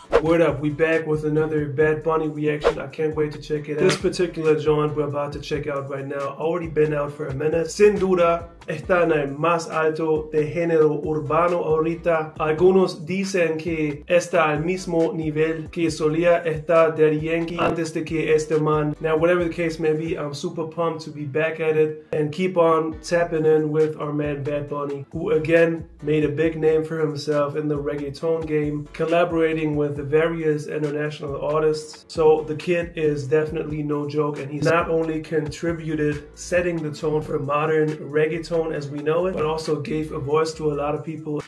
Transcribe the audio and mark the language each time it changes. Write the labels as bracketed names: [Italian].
[English] Word up, we back with another Bad Bunny reaction. I can't wait to check it out. This particular joint we're about to check out right now, already been out for a minute. [Spanish] Sin duda, está en el más alto de género urbano ahorita. Algunos dicen que está al mismo nivel que solía estar del Yankee antes de que este man. [English] Now, whatever the case may be, I'm super pumped to be back at it and keep on tapping in with our man Bad Bunny, who again made a big name for himself in the reggaeton game, collaborating with the various international artists. So the kid is definitely no joke, and he's not only contributed setting the tone for modern reggaeton as we know it, but also gave a voice to a lot of people.